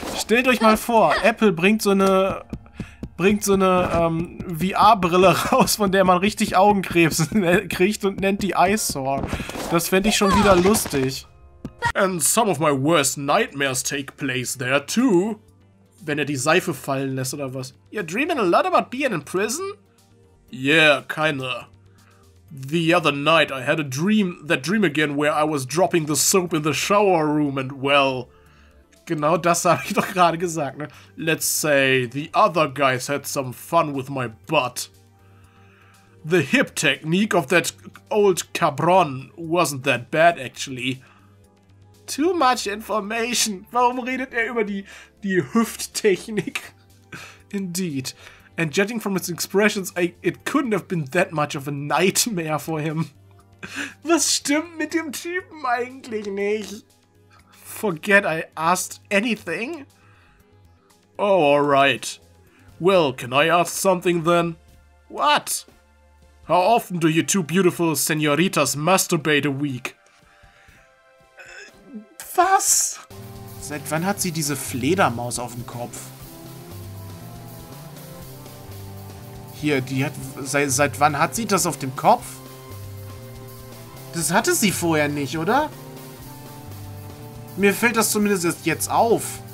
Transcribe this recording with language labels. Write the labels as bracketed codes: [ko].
[de] Stellt euch mal vor, Apple bringt so eine VR-Brille raus, von der man richtig Augenkrebs kriegt und nennt die Eyesore. Das fände ich schon wieder lustig. [en] And some of my worst nightmares take place there too. [de] Wenn er die Seife fallen lässt oder was. [en] You're dreaming a lot about being in prison? Yeah, kinda. The other night I had a dream, that dream again where I was dropping the soap in the shower room and well... [de] Genau das habe ich doch gerade gesagt, ne? [en] Let's say the other guys had some fun with my butt. The hip technique of that old cabron wasn't that bad actually. Too much information. [de] Warum redet er über die Hüfttechnik? [en] Indeed. And judging from his expressions, it couldn't have been that much of a nightmare for him. [de] Was stimmt mit dem Typen eigentlich nicht? [en] Forget I asked anything. Oh, alright. Well, can I ask something then? What? How often do you two beautiful senoritas masturbate a week? [de] Was? Seit wann hat sie diese Fledermaus auf dem Kopf? Hier, seit wann hat sie das auf dem Kopf? Das hatte sie vorher nicht, oder? Mir fällt das zumindest erst jetzt auf.